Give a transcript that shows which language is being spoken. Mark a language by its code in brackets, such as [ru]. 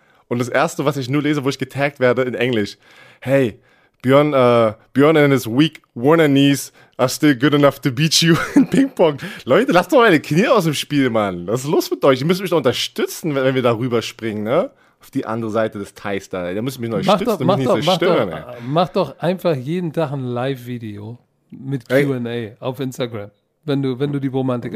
[de] Und das erste, was ich nur lese, wo ich getaggt werde in Englisch. [en] Hey, Björn and his weak Warner knees are still good enough to beat you in Ping Pong. [de] Leute, lasst doch meine Knie aus dem Spiel, Mann. Was ist los mit euch? Ihr müsst mich doch unterstützen, wenn wir da rüberspringen, ne? Auf die andere Seite des Teils da. Da muss ich mich noch stützen, mich nicht zerstören. Mach doch einfach jeden Tag ein Live-Video mit Q&A auf Instagram, wenn du die Bromantiker